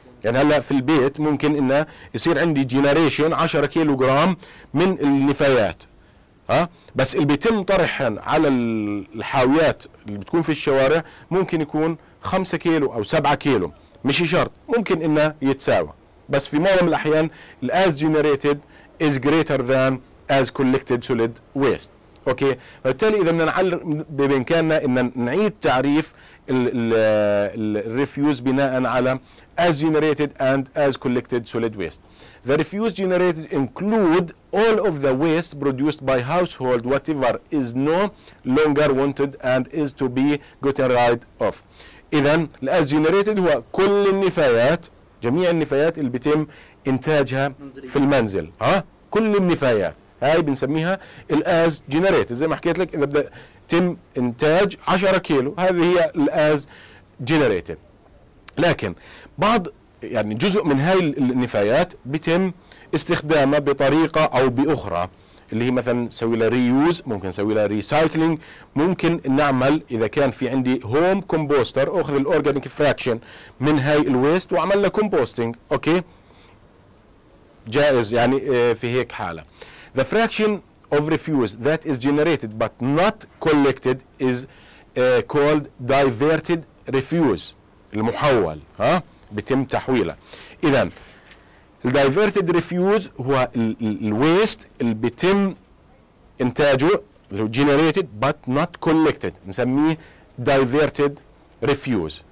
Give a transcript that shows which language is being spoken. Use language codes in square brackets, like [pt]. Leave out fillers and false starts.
[ar] يعني هلا في البيت ممكن انه يصير عندي generation 10 كيلو جرام من النفايات، بس اللي بيتم طرحهن على الحاويات اللي بتكون في الشوارع ممكن يكون 5 كيلو او 7 كيلو، مش شرط، ممكن انه يتساوى، بس في معظم الاحيان الـ [en] as generated is greater than as collected solid waste. [ar] اوكي فبالتالي اذا بدنا بامكاننا ان نعيد تعريف الريفيوز بناء على [en] as generated and as collected solid waste. The refuse generated include all of the waste produced by household whatever is no longer wanted and is to be gotten rid of. [ar] اذا as generated هو كل النفايات، جميع النفايات اللي بيتم انتاجها في المنزل، كل النفايات هاي بنسميها as generated. زي ما حكيت لك اذا بدا تم انتاج 10 كيلو هذه هي as generated. لكن بعض يعني جزء من هاي النفايات بتم استخدامها بطريقة أو بأخرى، اللي هي مثلا سوي لها ريوز، ممكن سوي لها ريسايكلينج، ممكن نعمل إذا كان في عندي هوم كومبوستر أخذ الأورجانيك فراكشن من هاي الويست وعمل لها كومبوستينج. أوكي جائز يعني في هيك حالة. [en] The fraction of refuse that is generated but not collected is called diverted refuse. [ar] المحول بتم تحويله. اذا الـ diverted refuse هو الـ waste اللي بتم انتاجه اللي هو [en] generated but not collected، [ar] نسميه diverted refuse.